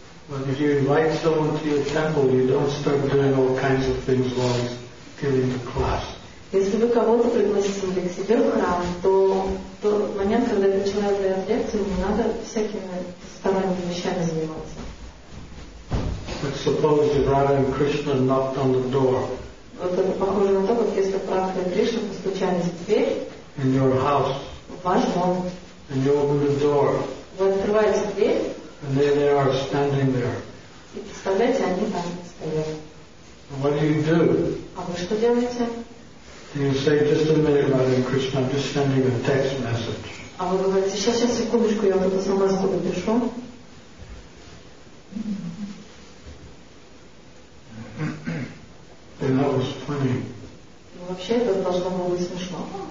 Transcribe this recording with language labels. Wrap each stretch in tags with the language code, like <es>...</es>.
<en>But if you invite someone to your temple, you don't start doing all kinds of things while he's giving the class.</en> <ru>Если вы кого-то пригласили к себе в храм, то в момент, когда этот человек дает лекцию, не надо всякими сторонними вещами заниматься.</ru> <en>But suppose Radha and Krishna knocked on the door.</en> <ru>Вот это похоже на то, как если Радха и Кришна постучались в дверь.</ru> <en>In your house.</en> <ru>В ваш дом.</ru> <en>And you open the door.</en> <ru>Вы открываете дверь.</ru> <en>And there they are standing there.</en> <ru>И представляете, они там стоят.</ru> <en>And what do you do?</en> <ru>А вы что делаете?</ru> <en>Do you say, just a minute, Radha Krishna, I'm just sending a text message.</en> <ru>А вы говорите, сейчас, секундочку, я вот сама сюда пишу.</ru> <en>And that was funny.</en> <ru>Ну, вообще, это должно было быть смешно.</ru>